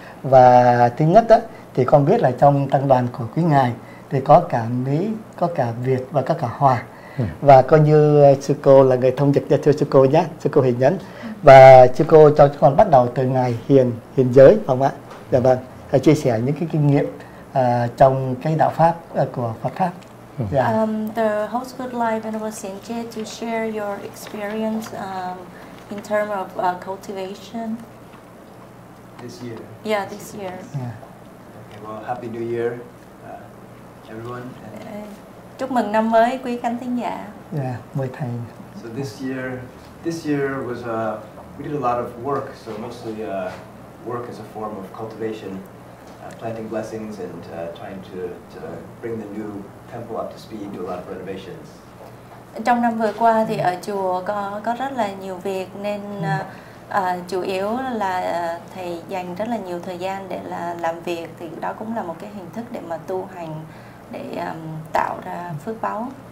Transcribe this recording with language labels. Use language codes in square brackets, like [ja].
[vi] Và thứ nhất đó, thì con biết là trong tăng đoàn của quý ngài thì có cả Mỹ, có cả Việt và có cả Hoa. Và coi như sư cô là người thông dịch cho sư cô nhé, sư cô hiền nhẫn. Và sư cô cho con bắt đầu từ ngài hiền, hiền giới, phải không ạ? Dạ vâng, chia sẻ những cái kinh nghiệm trong cái đạo pháp của Phật pháp. Yeah. [en] The host would like Venerable Sinche to share your experience in terms of cultivation. This year. Okay, well, Happy New Year, everyone. [vi] Chúc mừng năm mới quý khán thính giả. Yeah, mời thầy. [en] So this year was we did a lot of work. So mostly work as a form of cultivation, planting blessings and trying to bring the new temple up to speed. Do a lot of renovations. [vi] Trong năm vừa qua thì ở chùa có rất là nhiều việc nên. Chủ yếu là thầy dành rất là nhiều thời gian để là làm việc, thì đó cũng là một cái hình thức để mà tu hành, để tạo ra phước báo.